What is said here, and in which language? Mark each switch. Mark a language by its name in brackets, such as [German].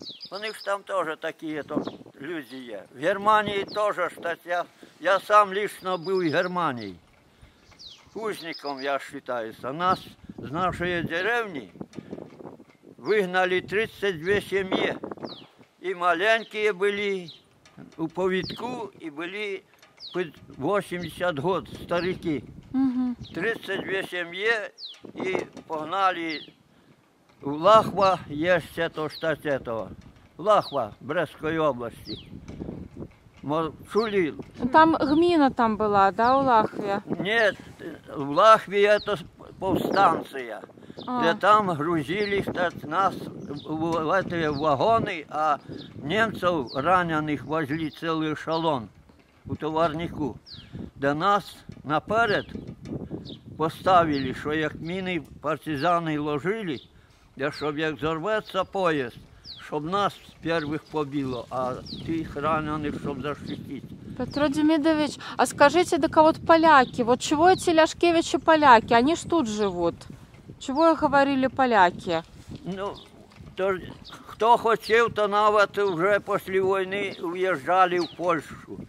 [Ukrainian] Вони ж [Russian] там тоже такие то люди есть. В Германии тоже, кстати, я сам лично был в Германии. Кузником, я считаюсь. [Ukrainian] Нас с нашей деревни вигнали 32 сім'ї, і маленькі були у повідку, і були 80 років старики. 32 сім'ї і погнали в Лахва, є ще то, що це то. Лахва, Брестської області. Чули? Там гміна там була, да, у Лахві? Ні, в Лахві це повстанція. Де там грузили нас в вагони, а немців ранених возили цілий ешелон у товарнику, де нас наперед поставили, що як міни партизани ложили, щоб як зорветься поїзд, щоб нас перших побило, а тих ранених, щоб захистити. [Russian] Петро Демидович, а скажите, да кого-то поляки, вот чего эти Ляшкевичи поляки, они ж тут живут. Чего говорили поляки? Ну, то, кто хотел, то навод уже после войны уезжали в Польшу.